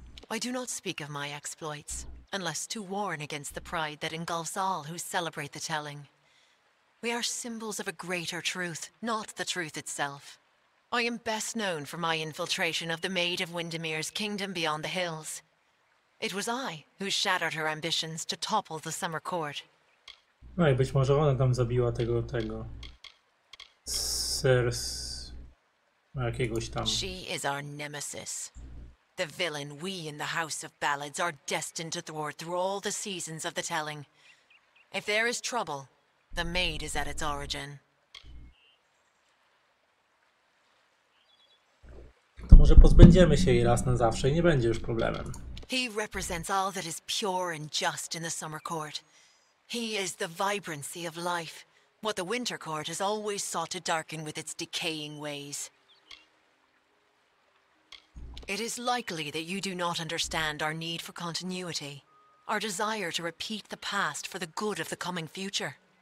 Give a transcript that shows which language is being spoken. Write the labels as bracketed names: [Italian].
[English] I do not speak of my exploits, unless to warn against the pride that engulfs all who celebrate the telling. We are symbols of a greater truth, not the truth itself. I am best known for my infiltration of the Maid of Windermere's kingdom beyond the hills. It was I who shattered her ambitions to topple the Summer Court. [Polish] No i być może ona tam zabiła tego... Sers... jakiegoś tam. [English] She is our nemesis. The villain we in the House of Ballads are destined to thwart through all the seasons of the telling. If there is trouble, the maid is at its origin. [Polish] To może pozbędziemy się jej raz na zawsze i nie będzie już problemem. [English] He represents all that is pure and just in the Summer Court. He is the vibrancy of life, what the Winter Court has always sought to darken with its decaying ways. It is likely that you do not understand our need for continuity, our desire to repeat the past for the good of the coming future.